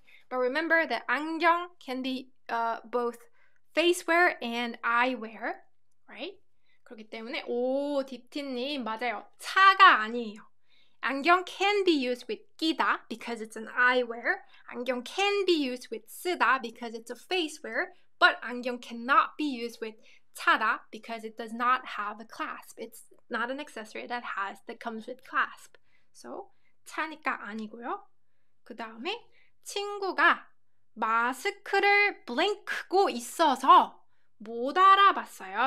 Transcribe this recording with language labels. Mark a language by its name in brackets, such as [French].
[English] But remember that 안경 can be both face wear and eye wear, right? [Korean] 그렇기 때문에 오 딥티님 맞아요. 차가 아니에요. [English] 안경 can be used with 끼다 because it's an eye wear. 안경 can be used with 쓰다 because it's a face wear. But 안경 cannot be used with 차다 because it does not have a clasp. It's not an accessory that comes with clasp. So [Korean] 차니까 아니고요. 그 다음에 친구가 마스크를 blank고 있어서 못 알아봤어요.